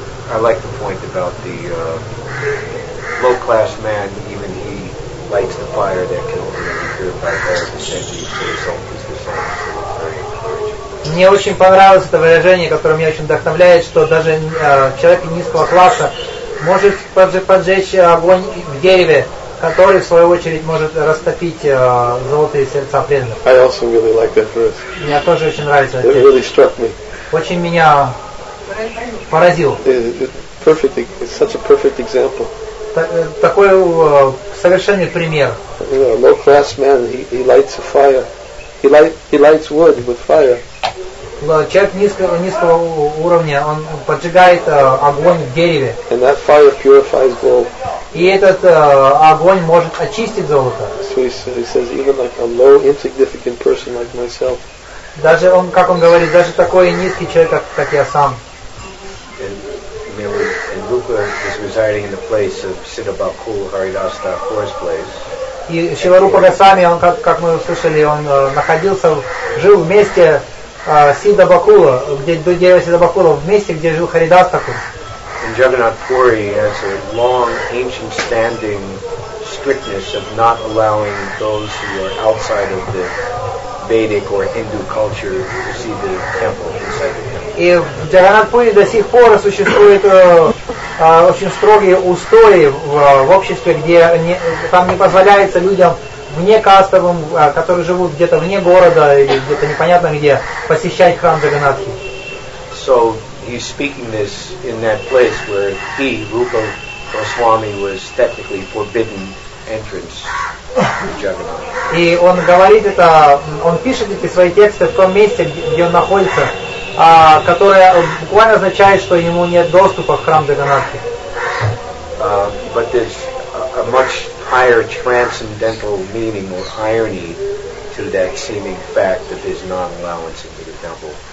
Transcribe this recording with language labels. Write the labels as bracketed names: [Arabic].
[English] I like the point about the low-class man, even he lights the fire that can only be cured by fire, and then he puts all his desires. [Russian] Мне очень понравилось это выражение, которое меня очень вдохновляет, что даже человек низкого класса может поджечь огонь в дереве, который в свою очередь может растопить золотые сердца преданных. [English] I also really like that verse. [Russian] Мне тоже очень нравится. [English] It really struck me. [Russian] Очень меня поразил. [English] Perfect, it's such a perfect example. [Russian] Такой совершенный пример. [English] Low class man, he lights a fire. He lights wood with fire. [Russian] Человек низкого уровня, он поджигает огонь в дереве. [English] And that fire purifies gold. [Russian] И этот огонь может очистить золото. [English] So he says, even like a low, insignificant person like myself. [Russian] Даже он, как он говорит, даже такой низкий человек, как я сам. [English] And Luka is residing in the place of Siddhabakul Haridas Thakur's place. [Russian] И Шиварупа Госвами, он, как мы услышали, он находился, жил вместе Сиддхабакула, где дерево Сиддхабакула, в месте, где жил Харидас Такур. [English] In Jagannath Puri has a long, ancient standing strictness of not allowing those who are outside of the Vedic or Hindu culture to see the temple inside the temple. [Russian] И в Джаганатхпуре до сих пор существуют очень строгие устои в обществе, где там не позволяется людям вне кастовым, которые живут где-то вне города или где-то непонятно где, посещать храм Джаганатхи. [English] So he's speaking this in that place where he, Rupa Goswami, was technically forbidden entrance. [Russian] И он говорит это, он пишет эти свои тексты в том месте, где он находится, которое буквально означает, что ему нет доступа в храм Джаганатхи. [English] But there's a much higher transcendental meaning or irony to that seeming fact that there's non-allowance into the temple.